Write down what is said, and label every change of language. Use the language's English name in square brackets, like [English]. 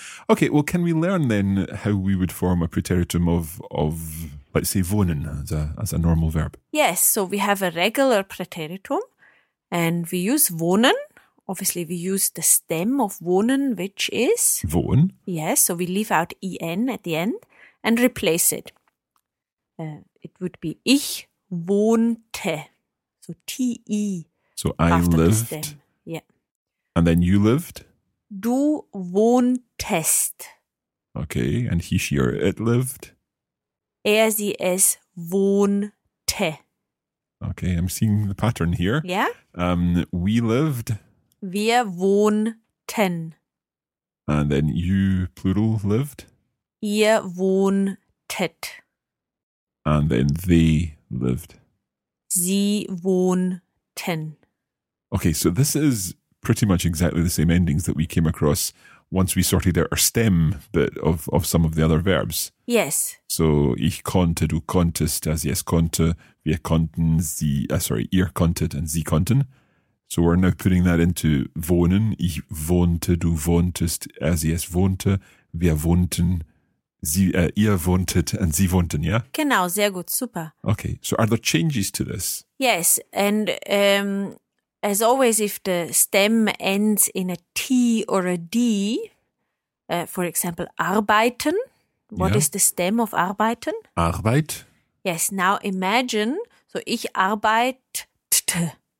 [English] Okay, well, can we learn then how we would form a preteritum of let's say, wohnen as a normal verb? Yes, so we have a regular preteritum and we use wohnen. Obviously, we use the stem of wohnen, which is? [German] Wohnen. [English] Yes, so we leave out en at the end and replace it. It would be [German] ich wohnte, [English] so T-E. So I lived. Yeah. And then you lived? [German] Du wohntest. [English] Okay, and he, she, or it lived? [German] Er, sie, es wohnte. [English] Okay, I'm seeing the pattern here. Yeah. We lived. [German] Wir wohnten. [English] And then you, plural, lived. [German] Ihr wohntet. [English] And then they lived. [German] Sie wohnten. [English] Okay, so this is pretty much exactly the same endings that we came across once we sorted out our stem bit of some of the other verbs. Yes. [German] So, ich konnte, du konntest, as yes, konnte, wir konnten, sie, sorry, ihr konntet and sie konnten. [English] So we're now putting that into wohnen. [German] Ich wohnte, du wohntest, [English] as yes, wohnte, wir wohnten, sie, ihr wohntet and sie wohnten, yeah? [German] Genau, sehr gut, super. [English] Okay, so are there changes to this? Yes, and as always, if the stem ends in a T or a D, for example, arbeiten, what is the stem of arbeiten? [German] Arbeit. [English] Yes, now imagine, so [German] ich arbeitete.